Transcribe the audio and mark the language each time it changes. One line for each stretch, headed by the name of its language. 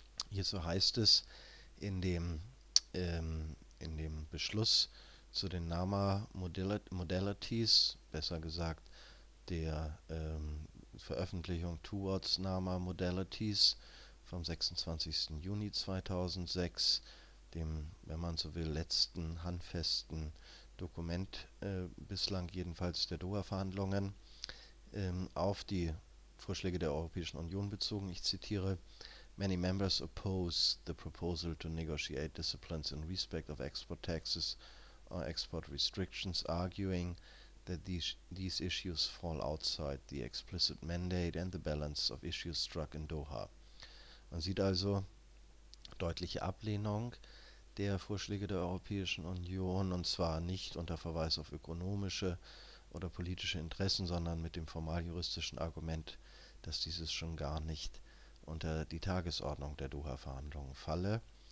German: Hierzu heißt es in dem Beschluss zu den NAMA Modalities, besser gesagt der Veröffentlichung Towards NAMA Modalities vom 26. Juni 2006, dem, wenn man so will, letzten handfesten Dokument bislang jedenfalls der Doha-Verhandlungen, auf die Vorschläge der Europäischen Union bezogen. Ich zitiere:
English: Many members oppose the proposal to negotiate disciplines in respect of export taxes or export restrictions, arguing that these issues fall outside the explicit mandate and the balance of issues struck in Doha.
German: Man sieht also deutliche Ablehnung der Vorschläge der Europäischen Union, und zwar nicht unter Verweis auf ökonomische oder politische Interessen, sondern mit dem formaljuristischen Argument, dass dieses schon gar nicht unter die Tagesordnung der Doha-Verhandlungen falle.